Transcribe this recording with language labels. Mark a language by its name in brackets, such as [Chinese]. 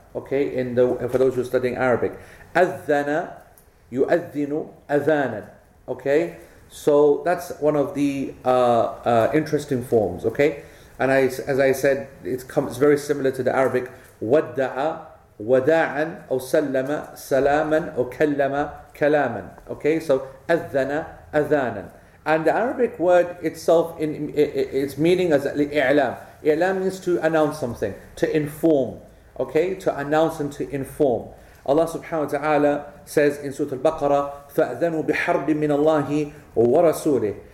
[English] Okay, for those who are studying Arabic, adhana, you adhinu adhana. Okay, so that's one of the interesting forms. Okay, and as I said, it's very similar to the Arabic wada'a. [Arabic] وداعاً أو سلم سلاماً أو كلم كلاماً. [English] Okay, so [Arabic] أذن أذاناً. [English] And the Arabic word itself, in its meaning as إعلام. إعلام means to announce something, to inform. Okay, to announce and to inform. Allah subhanahu wa ta'ala says in Surah Al-Baqarah, [Arabic] فَأَذَنُوا بِحَرْبٍ مِّنَ اللَّهِ وَرَسُولِهِ.